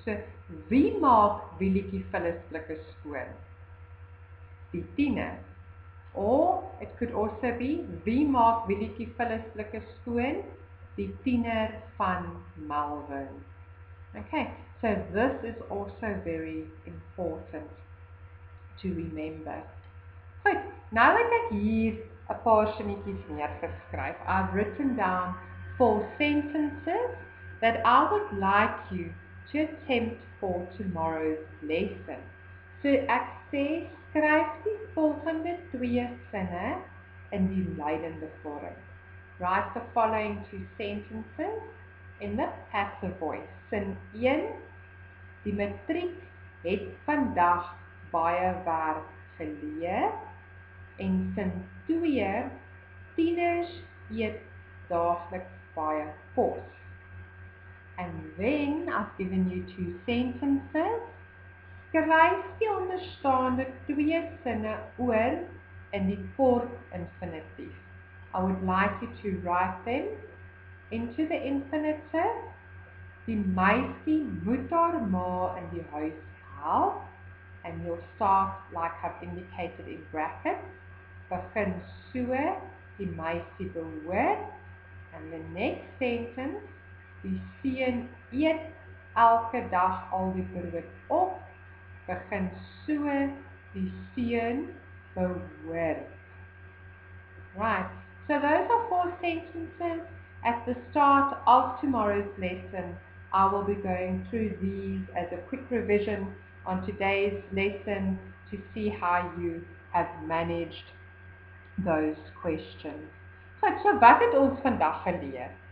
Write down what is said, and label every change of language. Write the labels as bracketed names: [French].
[Afrikaans] So, wie maak die liedjie Phyllis Blikke skoon? Die tiener. [English] Or it could also be [Afrikaans] wie maak die liedjie Phyllis Blikke skoon? Die tiener van Melbourne. [English] Okay, so this is also very important to remember. [Afrikaans] Goed, nou het ek hier 'n paar sinnetjies neergeskryf. [English] I've written down 4 sentences that I would like you to attempt for tomorrow's lesson. [Afrikaans] So ek sê, skryf die volgende 2 sinne in die lydende vorm. [English] Write the following 2 sentences in the passive voice. [Afrikaans] Sin 1, die matriek het vandag baie werk geleer. En sin 2, tieners eet daagliks baie kos. [English] And then, I've given you 2 sentences. [Afrikaans] Skryf die onderstaande 2 sinne oor in die kort infinitief. [English] I would like you to write them into the infinitive. [Afrikaans] Die meisie moet haar ma in die huis help. [English] And you'll start like I've indicated in brackets. [Afrikaans] Begin so, die meisie behoort. [English] And the next sentence, [Afrikaans] die seun eet elke dag al die brood op. Begin so, die seun behoort. [English] Right, so those are 4 sentences. At the start of tomorrow's lesson, I will be going through these as a quick revision on today's lesson to see how you have managed those questions. [Afrikaans] So wat het ons vandag geleer?